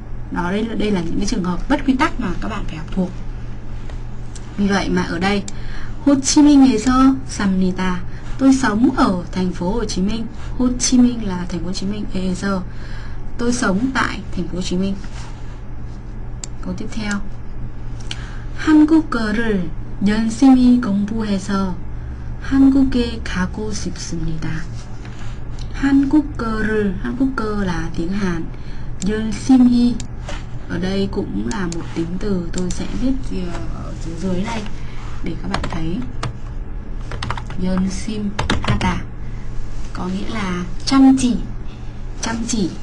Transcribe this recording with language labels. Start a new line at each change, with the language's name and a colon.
Vietnamese: Đó, đây là những cái trường hợp bất quy tắc mà các bạn phải học thuộc. Vì vậy mà ở đây Hồ Chí Minh ngày xưa sầm nì tà, tôi sống ở thành phố Hồ Chí Minh. Hồ Chí Minh là thành phố Hồ Chí Minh, ngày xưa tôi sống tại thành phố Hồ Chí Minh. Câu tiếp theo,
Korean: 한국어를 열심히 공부해서 한국에 가고 싶습니다.
Vietnamese: 한국어 là tiếng Hàn, 열심히 ở đây cũng là một tính từ, tôi sẽ viết ở dưới đây để các bạn thấy. 열심 하다 có nghĩa là chăm chỉ, chăm chỉ.